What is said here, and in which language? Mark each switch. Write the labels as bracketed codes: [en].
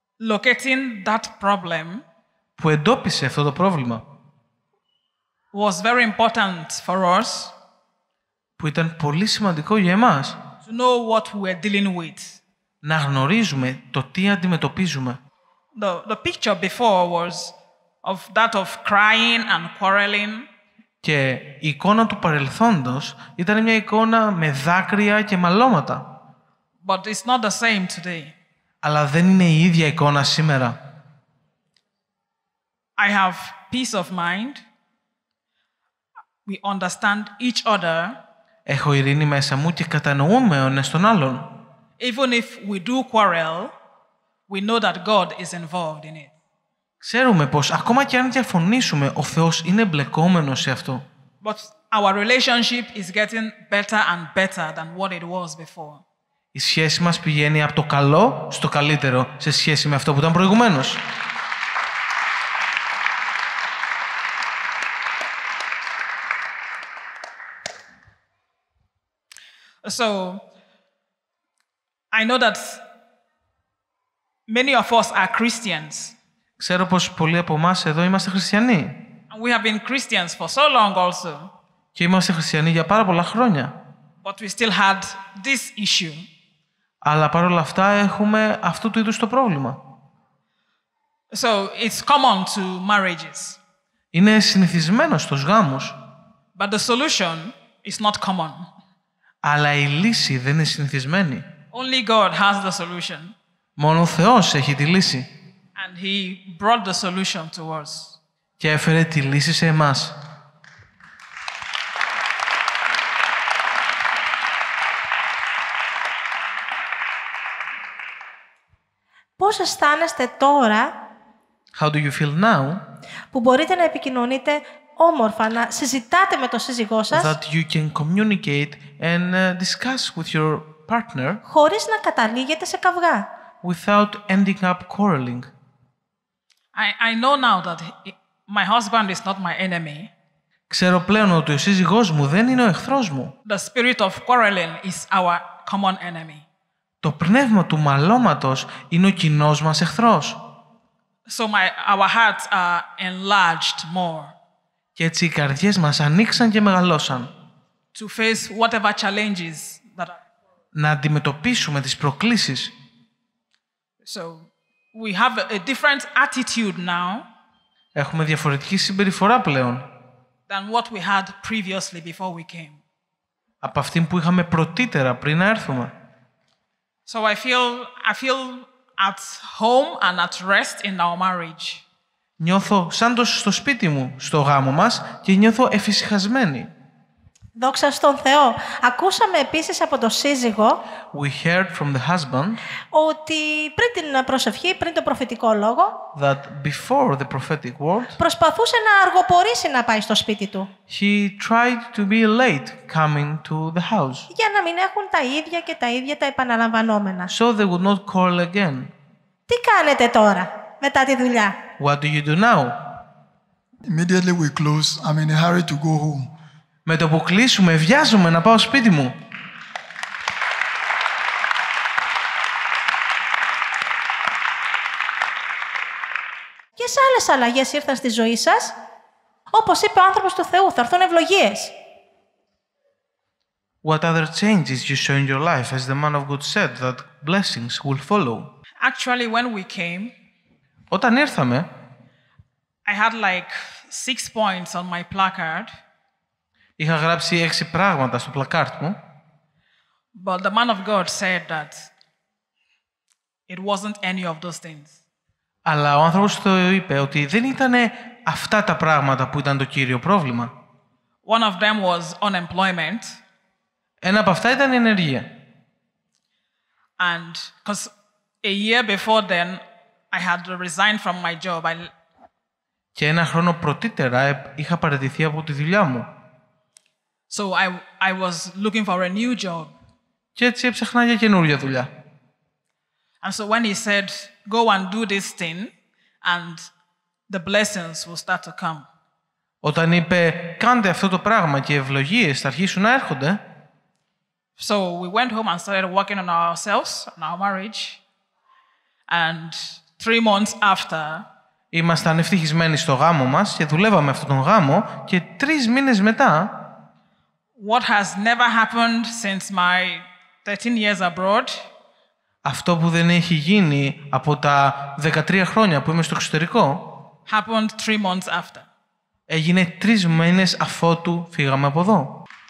[en] Locating that problem. [el] Που εντόπισε αυτό το πρόβλημα. [en] Was very important for us. [el] Που ήταν πολύ σημαντικό για εμάς. [en] To know what we're dealing with. [el] Να γνωρίζουμε το τι αντιμετωπίζουμε. [en] The picture before was of that of crying and quarreling. [el] Και η εικόνα του παρελθόντος ήταν μια εικόνα με δάκρυα και μαλώματα. [en] But it's not the same today. [el] Αλλά δεν είναι η ίδια εικόνα σήμερα. [en] I have peace of mind. We understand each other. [el] Έχω ειρήνη μέσα μου και κατανοούμε ο ένας τον άλλον. [en] Even if we do quarrel, we know that God is involved in it. [el] Ξέρουμε πως ακόμα και αν διαφωνήσουμε, ο Θεός είναι μπλεκόμενος σε αυτό. [en] But our relationship is getting better and better than what it was before. [el] Η σχέση μας πηγαίνει από το καλό στο καλύτερο σε σχέση με αυτό που ήταν προηγουμένως. [en] So I know that many of us are Christians. [el] Ξέρω πως πολλοί από εμάς εδώ είμαστε χριστιανοί. [en] We have been Christians for so long also. [el] Και είμαστε χριστιανοί για πάρα πολλά χρόνια. [en] But we still had this issue. [el] Αλλά παρόλα αυτά έχουμε αυτού του είδους το πρόβλημα. [en] So it's common to marriages. [el] Είναι συνηθισμένο στους γάμους. [en] But the solution is not common. [el] Αλλά η λύση δεν είναι συνηθισμένη. [en] Only God has the solution. [el] Μόνο ο Θεός έχει τη λύση. [en] And he brought the solution to us. [el] Και έφερε τη λύση σε εμάς. Πώς αισθάνεστε τώρα? [en] How do you feel now? [el] Που μπορείτε να επικοινωνείτε όμορφα, να συζητάτε με το σύζυγό σας. [en] That you can communicate and discuss with your partner. [el] Χωρίς να καταλήγετε σε καυγά. [en] Without ending up quarreling. I know now that my husband is not my enemy. [el] Ξέρω πλέον ότι ο σύζυγός μου δεν είναι ο εχθρός μου. [en] The spirit of quarreling is our common enemy. [el] Το πνεύμα του μαλώματος είναι ο κοινός μας εχθρός. [en] So our hearts are enlarged more. [el] Και έτσι οι καρδιές μας ανοίξαν και μεγαλώσαν. [en] To face whatever challenges that are... [el] Να αντιμετωπίσουμε τις προκλήσεις. [en] So we have a different attitude now. [el] Έχουμε διαφορετική συμπεριφορά πλέον. [en] Than what we had previously before we came. [el] Από αυτήν που είχαμε πρωτύτερα πριν να έρθουμε. [en] So I feel at home and at rest in our marriage. [el] Νιώθω σαν το στο σπίτι μου, στο γάμο μας και νιώθω εφησυχασμένη. Δόξα στον Θεό. Ακούσαμε επίσης από τον σύζυγο. [en] We heard from the husband. [el] Ότι πριν την προσευχή, πριν το προφητικό λόγο. [en] That before the prophetic word. [el] Προσπαθούσε να αργοπορήσει να πάει στο σπίτι του. [en] He tried to be late coming to the house. [el] Για να μην έχουν τα ίδια και τα ίδια τα επαναλαμβανόμενα. [en] So they would not call again. [el] Τι κάνετε τώρα, μετά τη δουλειά? [en] What do you do now? Immediately we close. I'm in a hurry to go home. [el] Με το που κλείσουμε, βιάζομαι να πάω σπίτι μου. Ποιες άλλες αλλαγές ήρθαν στη ζωή σας? Όπως είπε ο άνθρωπος του Θεού, θα έρθουν ευλογίες. [en] What other changes you saw in your life, as the man of God said, that blessings will follow. Actually, when we came, [el] όταν ήρθαμε, [en] I had like 6 points on my placard. [el] Είχα γράψει 6 πράγματα στο πλακάρτ μου. [en] But the man of God said that it wasn't any of those things. [el] Αλλά ο άνθρωπος το είπε ότι δεν ήταν αυτά τα πράγματα που ήταν το κύριο πρόβλημα. [en] One of them was unemployment. [el] Ένα από αυτά ήταν η ανεργία. [en] And because a year before then I had resigned from my job. [el] Και ένα χρόνο πρωτύτερα είχα παραιτηθεί από τη δουλειά μου. [en] So I was looking for a new job. [el] Και έτσι έψαχνα για καινούργια δουλειά. [en] And so when he said, go and do this thing, and the blessings will start to come. [el] Όταν είπε, κάντε αυτό το πράγμα και οι ευλογίες θα αρχίσουν να έρχονται. [en] So we went home and started working on ourselves, on our marriage. And 3 months after, [el] ήμασταν ευτυχισμένοι στο γάμο μας και δουλεύαμε αυτόν τον γάμο και 3 μήνες μετά, [en] what has never happened since my 13 years abroad. [el] Αυτό που δεν έχει γίνει από τα 13 χρόνια που είμαι στο εξωτερικό. [en] Happened 3 months after. [el] Έγινε 3 μήνες αφότου φύγαμε από εδώ.